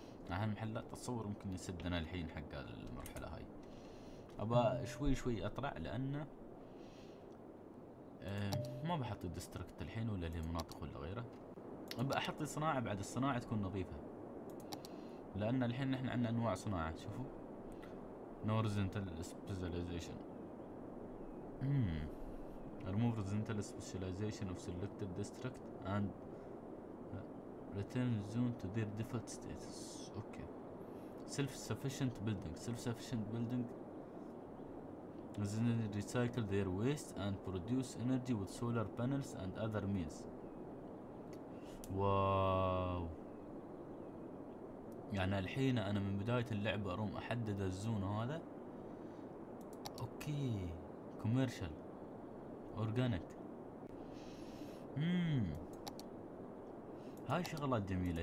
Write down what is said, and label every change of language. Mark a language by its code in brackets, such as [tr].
[ar] اهم محلات اتصور ممكن يسدنا الحين حق المرحله هاي. ابا شوي شوي اطلع، لان ما بحط الدستركت الحين ولا المناطق ولا غيره. ابا احط صناعه، بعد الصناعه تكون نظيفه، لان الحين نحن عندنا انواع صناعه. شوفوا نورزنتال سبيشاليزيشن، [en] Remove residential specialization of selected district and return zone to their default status. Okay. Self-sufficient building. Self-sufficient building. Residents recycle their waste and produce energy with solar panels and other means. Wow. [ar] يعني الحين أنا من بداية اللعبة أروم أحدد الزون هذا. [en] Okay. Commercial. Organic. [ar] هاي شغلات جميلة.